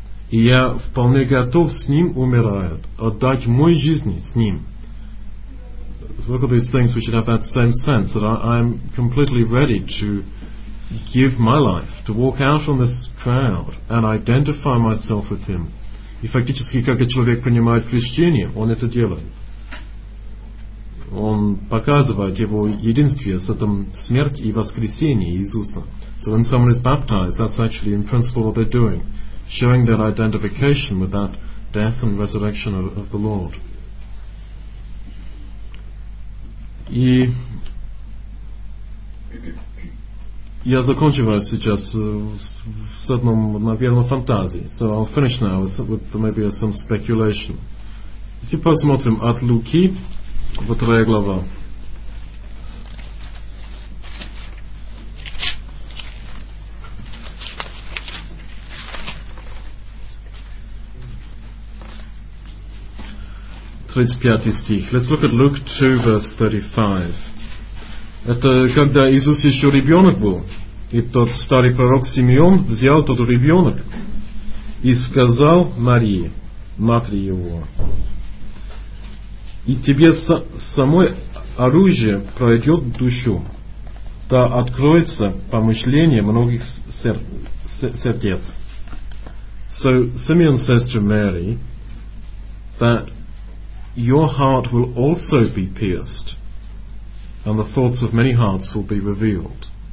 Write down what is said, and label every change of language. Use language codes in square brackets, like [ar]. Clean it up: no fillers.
[ru] И я вполне готов с ним умирать, отдать мой жизнь с ним. [en] Look at these things which have that same sense, that I'm completely ready to give my life, to walk out from this crowd and identify myself with him. [ru] И фактически, как человек принимает крещение, он это делает. Он показывает его единство с этим смертью и воскресением Иисуса. [en] So when someone is baptized, that's actually in principle what they're doing, showing their identification with that death and resurrection of the Lord. [ru] И я закончиваю сейчас с одной, наверное, фантазией. [en] So I'll finish now with maybe some speculation. [ru] Если посмотрим от Луки, вот вторая глава. [en] Let's look at Luke 2, verse 35. [ru] Это когда Иисус еще ребенок был, и тот старый пророк Симеон взял тот ребенок и сказал Марии, матери его, и тебе самой оружие пройдет душу, да откроется помышление многих сердец. [en] So Simeon says to Mary that your heart will also be pierced, and the thoughts of many hearts will be revealed.